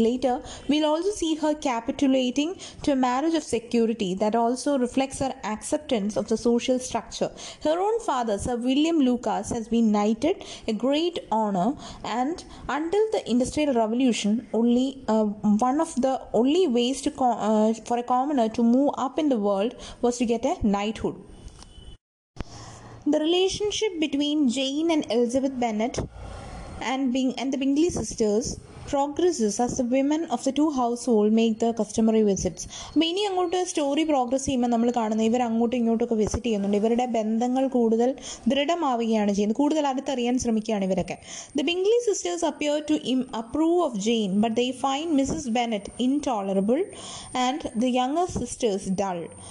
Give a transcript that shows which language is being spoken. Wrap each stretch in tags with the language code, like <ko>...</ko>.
<en>Later will also see her capitulating to a marriage of security that also reflects her acceptance of the social structure. Her own father sir William Lucas has been knighted a great honour and until the industrial revolution only one of the only ways to for a commoner to move up in the world was to get a knighthood. The relationship between Jane and Elizabeth Bennet and the Bingley sisters progresses as the women of the two households make the customary visits.</en> <ml>അപ്പോൾ ഇനി അങ്ങോട്ട് story progress ചെയ്യുമ്പോൾ നമ്മൾ കാണുന്നത് ഇവർ അങ്ങോട്ടും ഇങ്ങോട്ടൊക്കെ visit ചെയ്യുന്നുണ്ട്, ഇവരുടെ ബന്ധങ്ങൾ കൂടുതൽ ദൃഢമാവുകയാണ് ചെയ്യുന്നത്, കൂടുതൽ അടുത്തറിയാൻ ശ്രമിക്കുകയാണ് ഇവരൊക്കെ.</ml> <en>The Bingley sisters appear to approve of Jane but they find Mrs Bennet intolerable and the younger sisters dull.</en>